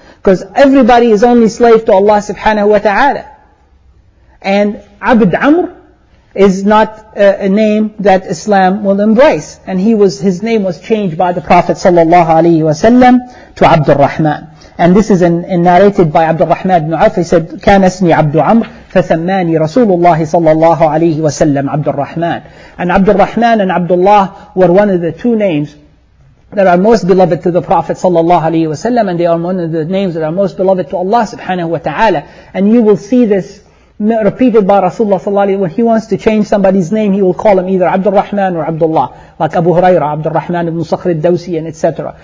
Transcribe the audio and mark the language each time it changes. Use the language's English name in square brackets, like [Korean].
[English] Because everybody is only slave to Allah subhanahu wa ta'ala. And Abd Amr is not a name that Islam will embrace. And his name was changed by the Prophet sallallahu alayhi wa sallam to Abdul Rahman. And this is in narrated by Abdul Rahman ibn Auf. He said, [Arabic] كان اسمي عبد عمر فسماني رسول الله صلى الله عليه وسلم عبد الرحمن. [English] And عبد الرحمن and Abdullah were one of the two names that are most beloved to the Prophet صلى الله عليه وسلم, and they are one of the names that are most beloved to Allah سبحانه وتعالى. And you will see this repeated by Rasulullah صلى الله عليه وسلم. When he wants to change somebody's name, he will call him either عبد الرحمن or Abdullah, like Abu Huraira, عبد الرحمن بن صخر الدوسي, and etc.